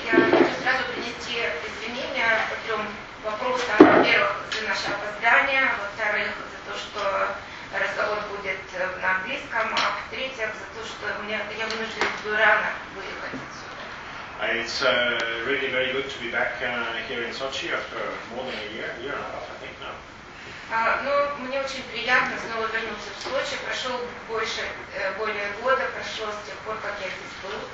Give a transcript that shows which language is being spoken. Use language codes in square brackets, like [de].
[ru] Я хочу сразу принести извинения по трем вопросам. Во-первых, за наше опоздание. Во-вторых, за то, что разговор будет на английском. А в-третьих, за то, что я вынужден буду рано выехать отсюда. [en] It's really very good to be back here in Sochi after more than a year and a half, I think, now. [ru] Но мне очень приятно снова вернуться в Сочи. Прошел более года, прошло с тех пор, как я здесь был.